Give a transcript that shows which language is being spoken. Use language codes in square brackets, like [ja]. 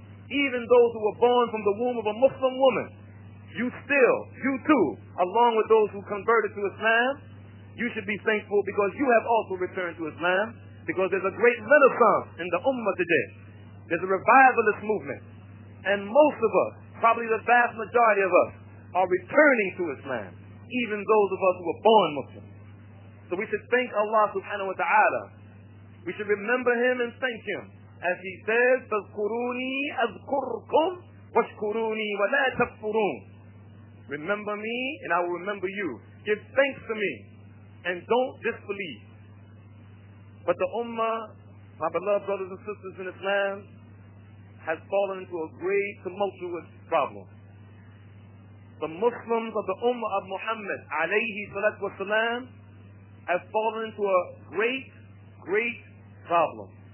[en] even those who were born from the womb of a Muslim woman, you too, along with those who converted to Islam, you should be thankful because you have also returned to Islam, because there's a great renaissance in the Ummah today. There's a revivalist movement. And most of us, probably the vast majority of us, are returning to Islam, even those of us who were born Muslim. So we should thank Allah subhanahu wa ta'ala. We should remember Him and thank Him. As He says, [ar] فَذْكُرُونِي أَذْكُرْكُمْ وَشْكُرُونِي وَلَا تَكْفُرُونَ. [en] Remember me and I will remember you. Give thanks to me and don't disbelieve. But the Ummah, my beloved brothers and sisters in Islam, has fallen into a great tumultuous problem. The Muslims of the Ummah of Muhammad, alayhi salatu wasalam, have fallen into a great, great problem.